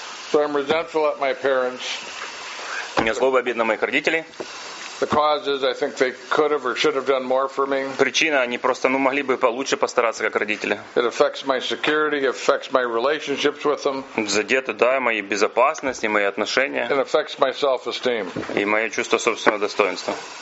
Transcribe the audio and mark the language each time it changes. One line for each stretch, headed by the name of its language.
English: So I'm resentful at my parents.
Russian: У меня злоба обида на моих родителей.
English: The cause is, I think they could have or should have done more for me.
Russian: Причина, они просто, ну, могли бы получше постараться, как родители.
English: It affects my security, affects my relationships with them.
Russian: Задето, да, мои безопасности, мои отношения.
English: It affects my self-esteem.
Russian: И мое чувство собственного достоинства.